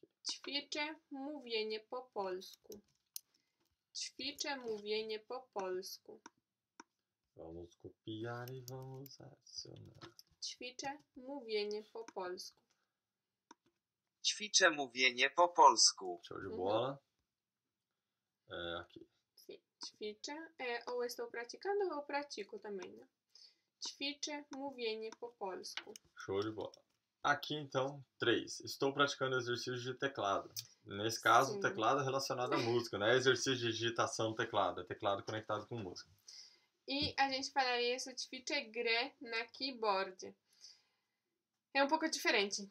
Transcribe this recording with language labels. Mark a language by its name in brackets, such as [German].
[Polish] Ćwiczę, mówienie po polsku. Ćwiczę mówienie po polsku. [Portuguese] Vamos copiar e vamos adicionar. [Polish] Ćwiczę mówienie po polsku. Ćwiczę mówienie po polsku. [Portuguese] Show de bola. É aqui. Sim. Ćwiczę. É, ou estou praticando ou pratico também, né? [Polish] Ćwiczę mówienie po polsku. [Portuguese] Show de bola. Aqui, então, 3. Estou praticando exercício de teclado. Nesse caso, sim, teclado relacionado à música, né? Exercício de digitação do teclado. É teclado conectado com música. E a gente falaria isso de [Polish] ćwiczę grę na keyboard. [Portuguese] É um pouco diferente.